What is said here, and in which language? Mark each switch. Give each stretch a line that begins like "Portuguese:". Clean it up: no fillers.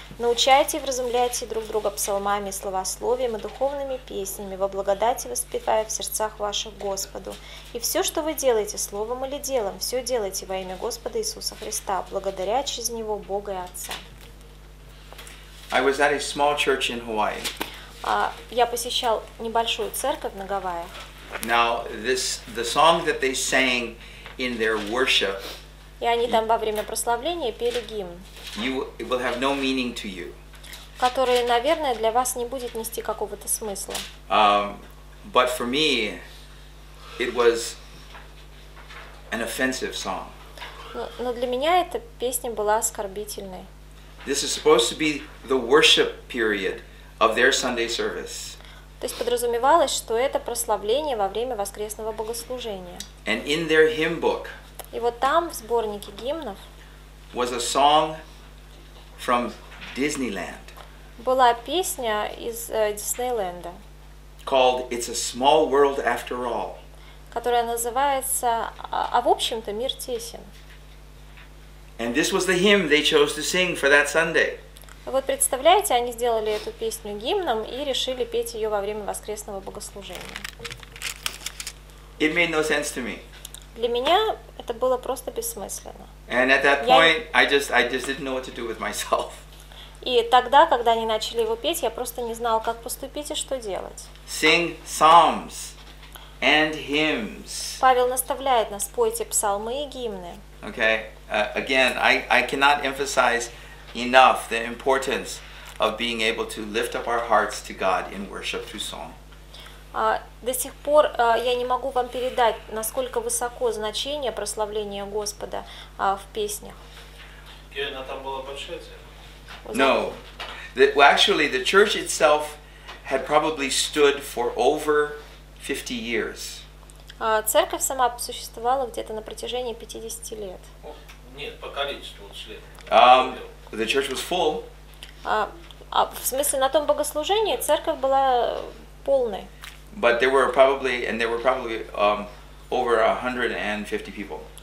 Russian: Научайте и вразумляйте друг друга псалмами, словословием и духовными песнями, во благодати воспевая в сердцах ваших Господу. И все, что вы делаете, словом или делом, все делайте во имя Господа Иисуса Христа, благодаря через Него Бога и Отца.
English: I was at a small church in Hawaii.
Russian: Я посещал небольшую церковь на Гавайях.
English: Now, the song that they sang in their worship,
Russian: и они там во время прославления пели гимн,
English: it will have no meaning to you.
Russian: Который, наверное, для вас не будет нести какого-то смысла.
English: But for me, it was an offensive song.
Russian: Но для меня эта песня была оскорбительной.
English: This is supposed to be the worship period of their Sunday service.
Russian: То есть подразумевалось, что это прославление во время воскресного богослужения.
English: And in their hymn book,
Russian: и вот там, в сборнике гимнов,
English: was a song from Disneyland,
Russian: была песня из Диснейленда,
English: called It's a Small World After All,
Russian: которая называется «А в общем-то мир тесен».
English: And this was the hymn they chose to sing for that Sunday.
Russian: Вот представляете, они сделали эту песню гимном и решили петь ее во время воскресного богослужения.
English: It made no sense to me.
Russian: Для меня это было просто бессмысленно.
English: And at that point, I just didn't know what to do with myself.
Russian: И тогда, когда они начали его петь, я просто не знал, как поступить и что делать.
English: Sing psalms and hymns.
Russian: Павел наставляет нас: пойте псалмы и гимны.
English: Okay. Again, I cannot emphasize enough the importance of being able to lift up our hearts to God in worship through song.
Russian: До сих пор я не могу вам передать, насколько высоко значение прославления Господа в песнях. Она там была большая церковь?
English: No. Actually, the church itself had probably stood for over 50 years.
Russian: Церковь сама существовала где-то на протяжении 50 лет. Нет, по количеству лет.
English: The church was full.
Russian: В смысле, на том богослужении церковь была полной.
English: But there were probably over 150 people.